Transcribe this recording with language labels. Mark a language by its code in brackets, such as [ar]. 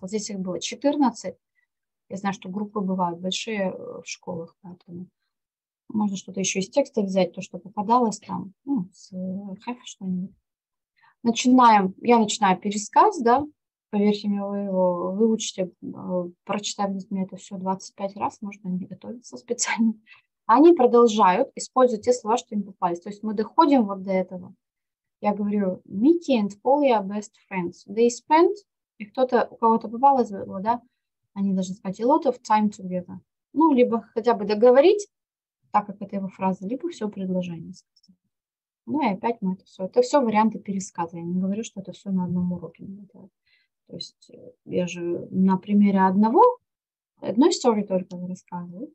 [ru] Вот здесь их было 14. Я знаю, что группы бывают большие в школах, поэтому можно что-то еще из текста взять, то, что попадалось там, ну, с хэфа что-нибудь. Начинаем. Я начинаю пересказ, да. Поверьте мне, вы его выучите, прочитав мне это все 25 раз, можно не готовиться специально. Они продолжают использовать те слова, что им попались. То есть мы доходим вот до этого. Я говорю, [en] Mickey and Polly are best friends. They spend, [ru] и кто-то, у кого-то попало, забыло, да? Они должны сказать, [en] a lot of time together. [ru] Ну, либо хотя бы договорить, так как это его фраза, либо все предложение сказать. Ну и опять мы это все. Это все варианты пересказа. Я не говорю, что это все на одном уроке. То есть я же на примере одного, одной истории только рассказываю.